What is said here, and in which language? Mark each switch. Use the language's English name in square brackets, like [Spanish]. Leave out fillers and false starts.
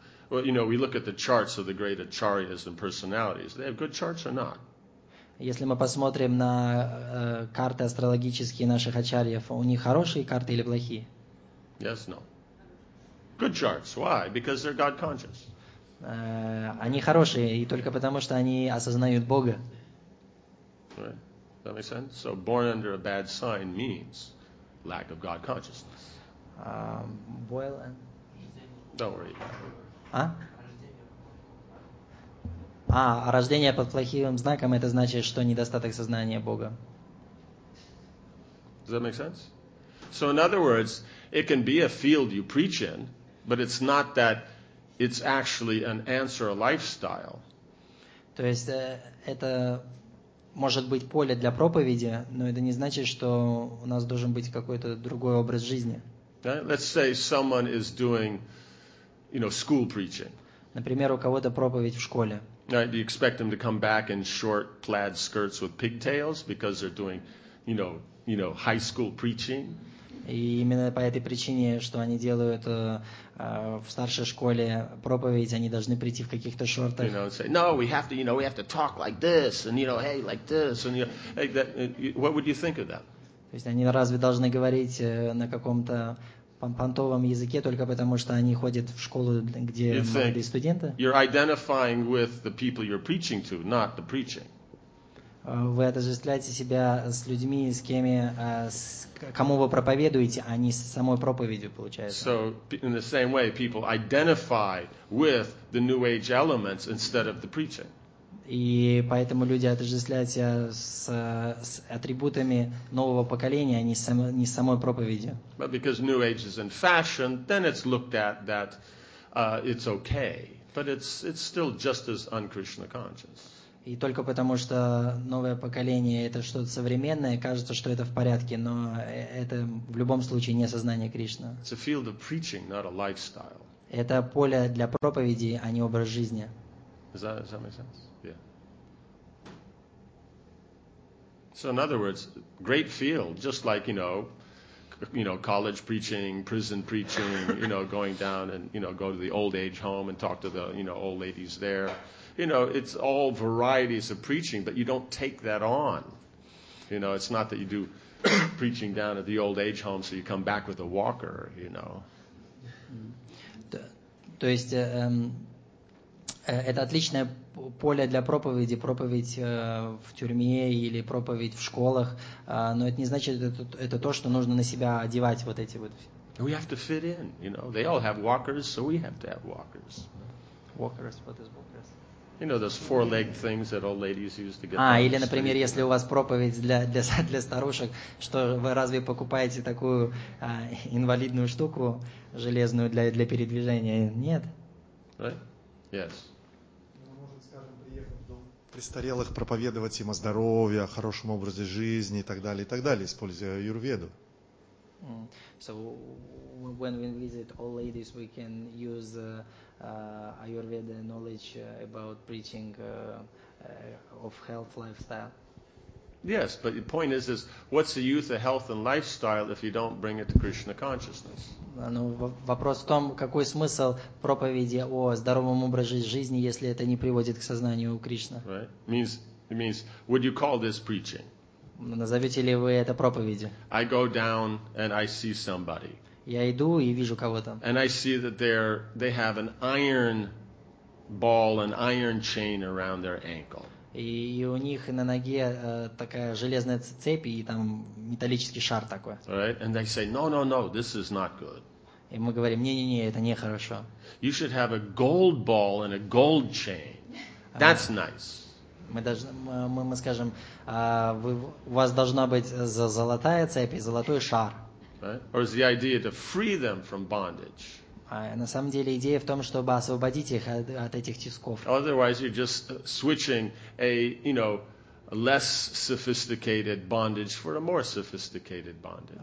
[English] Well, you know, we look at the charts of the great acharyas and personalities. They have good charts or not? [Russian] Если мы посмотрим на карты астрологические наших ачарьев, у них хорошие карты или плохие? [English] Yes, no. Good charts. Why? Because they're God conscious. [Russian] Они хорошие и только потому, что они осознают Бога. [English] Right. That makes sense. So born under a bad sign means lack of God consciousness. Well, don't worry about it. [Russian] А рождение под плохим знаком это значит, что недостаток сознания Бога. [English] Does that make sense? So in other words, it can be a field you preach in, but it's not that it's actually an answer, a lifestyle. [Russian] То есть это может быть поле для проповеди, но это не значит, что у нас должен быть какой-то другой образ жизни. [English] Right? Let's say someone is doing you know, school preaching. [Russian] Например, у кого-то проповедь в школе. [English] Right, do you expect them to come back in short plaid skirts with pigtails because they're doing, you know, high school preaching? [Russian] И именно по этой причине, что они делают в старшей школе проповедь, они должны прийти в каких-то шортах. [English] You know, say, no, we have to, you know, we have to talk like this, and you know, hey, like this, and you know, hey, that, what would you think of that? [Russian] То есть они разве должны говорить на каком-то понтовом языке только потому, что они ходят в школу, где молодые студенты. [English] You're identifying with the people you're preaching to, not the preaching. [Russian] вы отождествляете себя с людьми, с кем, кому вы проповедуете, а не с самой проповедью, получается. [English] So in the same way, people identify with the New Age elements instead of the preaching. [Russian] И поэтому люди отождествляют себя с атрибутами нового поколения, а не не с самой проповедью. [English] But because New Age is in fashion, then it's looked at that it's okay, but it's still just as un-Krishna conscious. [Russian] И только потому, что новое поколение это что-то современное, кажется, что это в порядке, но это в любом случае не сознание Кришны. [English] It's a field of preaching, not a lifestyle. [Russian] Это поле для проповеди, а не образ жизни. [English] Does that make sense? Yeah. So in other words, great field, just like, you know, college preaching, prison preaching, you know, going down and, you know, go to the old age home and talk to the, you know, old ladies there. You know, it's all varieties of preaching, but you don't take that on. You know, it's not that you do preaching down at the old age home, so you come back with a walker, you know. [Russian] То есть, это отличное поле для проповеди, проповедь в тюрьме или проповедь в школах, но это не значит, это то, что нужно на себя одевать вот эти вот. [English] We have to fit in, you know. They all have walkers, so we have to have walkers. Walkers, what is walkers? You know those four-legged things that old ladies use to get. [Russian] А или, например, если у вас проповедь для старушек, что вы разве покупаете такую инвалидную штуку железную для передвижения? Нет. [English] Right? Yes. [Russian] Престарелых проповедовать им о здоровье, о хорошем образе жизни и так далее, используя аюрведу. [English] So when we visit all ladies, we can use Ayurveda knowledge about preaching of health lifestyle. Yes, but the point is what's the use of health and lifestyle if you don't bring it to Krishna consciousness? [Russian] Ну, вопрос в том, какой смысл проповеди о здоровом образе жизни, если это не приводит к сознанию Кришны. [English] Right. It means would you call this preaching? [Russian] Назовете ли вы это проповеди? [English] I go down and I see somebody. [Russian] Я иду и вижу кого-то. [English] And I see that they have an iron ball, an iron chain around their ankle. [Russian] И у них на ноге такая железная цепь и там металлический шар такой. [English] Right? And they say, no, this is not good. [Russian] И мы говорим, не, это не хорошо. [English] You should have a gold ball and a gold chain. That's nice. [Russian] Мы скажем, у вас должна быть золотая цепь и золотой шар. [English] Right? Or is the idea to free them from bondage? [Russian] На самом деле идея в том, чтобы освободить их от этих тисков. [English] Otherwise, you're just switching a, you know, less sophisticated bondage for a more sophisticated bondage.